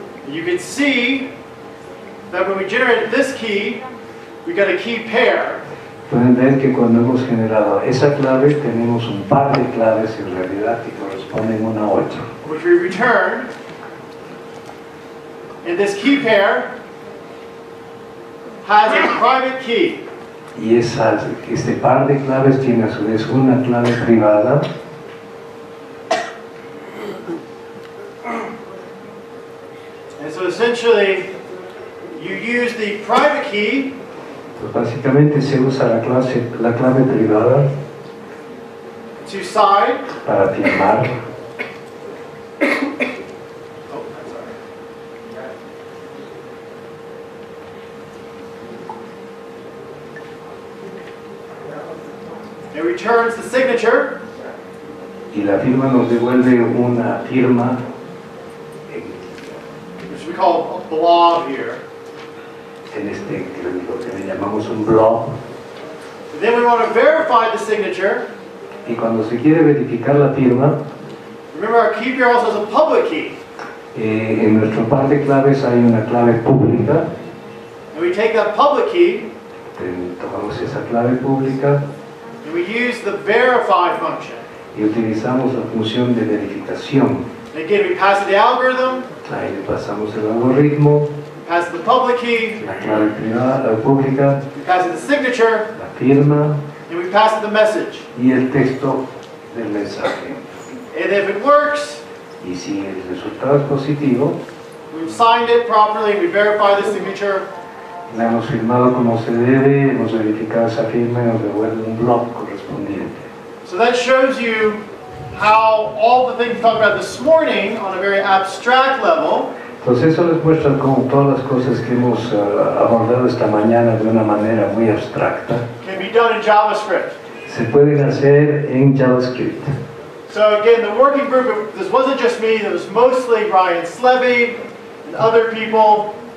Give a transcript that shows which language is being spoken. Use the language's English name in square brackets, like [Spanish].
[English] You can see that when we generated this key, we got a key pair. [Spanish] Pueden ver que cuando hemos generado esa clave, tenemos un par de claves en realidad que corresponden una a otra. [English] Which we return. And this key pair has a private key. [Spanish] Y este par de claves tiene a su vez una clave privada. [English] And so essentially, you use the private key. [Spanish] Pues básicamente se usa la clave privada. [English] To sign. [Spanish] Para firmar. [English] Returns the signature. [Spanish] Y la firma nos devuelve una firma. [English] Which we call a blob here. [Spanish] En este lo que le llamamos un blob. [English] Then we want to verify the signature. [Spanish] Y cuando se quiere verificar la firma, [English] remember our key here also has a public key. [Spanish] En nuestra parte claves hay una clave pública. [English] And we take that public key. [Spanish] Tomamos esa clave pública. [English] And we use the verify function. [Spanish] Y utilizamos la función de verificación. [English] Again, we pass the algorithm. [Spanish] Ahí le pasamos el algoritmo. [English] Pass the public key. [Spanish] La clave privada, la pública. [English] We pass the signature. [Spanish] La firma. [English] And we pass the message. [Spanish] Y el texto del mensaje. [English] And if it works. [Spanish] Y si el resultado es positivo. [English] We've signed it properly. We verify the signature. [Spanish] La hemos firmado como se debe. Hemos verificado esa firma y nos devuelve un bloc correspondiente. [English] So that shows you how all the things talked about this morning on a very abstract level. [Spanish] Entonces eso les muestra cómo todas las cosas que hemos abordado esta mañana de una manera muy abstracta. [English] Can be done in JavaScript. [Spanish] Se pueden hacer en JavaScript. [English] So again, the working group, this wasn't just me, it was mostly Ryan Slevy and other people.